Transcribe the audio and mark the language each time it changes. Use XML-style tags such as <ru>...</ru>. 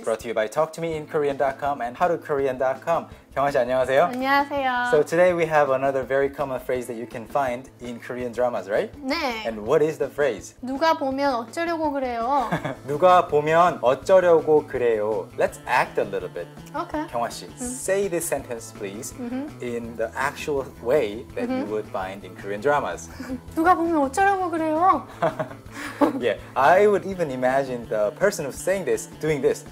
<en>Brought to you by TalkToMeInKorean.com and HowToKorean.com.</en> <ko>경화 씨, 안녕하세요. 안녕하세요.</ko> <en>So today we have another very common phrase that you can find in Korean dramas, right?</en> <ko>네.</ko> <en>And what is the phrase?</en> <ko>누가 보면 어쩌려고 그래요. 누가 보면 어쩌려고 그래요.</ko> <en>Let's act a little bit. Okay. 경화 씨, say this sentence, please, in the actual way that you would find in Korean dramas.</en> <ko>누가 보면 어쩌려고 그래요.</ko> <en>Yeah, I would even imagine the person who's saying this, doing this.</en>